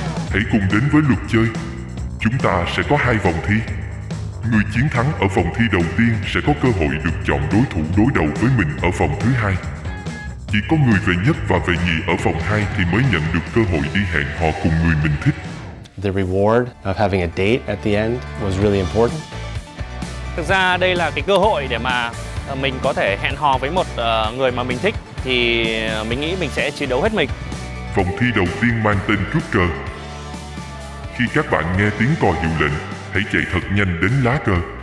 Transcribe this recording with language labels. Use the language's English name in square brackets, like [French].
[Vietnamese] Hãy cùng đến với luật chơi. Chúng ta sẽ có hai vòng thi. Người chiến thắng ở vòng thi đầu tiên sẽ có cơ hội được chọn đối thủ đối đầu với mình ở vòng thứ hai. Chỉ có người về nhất và về nhì ở vòng hai thì mới nhận được cơ hội đi hẹn hò cùng người mình thích. [English] The reward of having a date at the end was really important. [Vietnamese] Thực ra đây là cái cơ hội để mà mình có thể hẹn hò với một người mà mình thích thì mình nghĩ mình sẽ chiến đấu hết mình. Vòng thi đầu tiên mang tên cướp cờ. Khi các bạn nghe tiếng còi hiệu lệnh, hãy chạy thật nhanh đến lá cờ.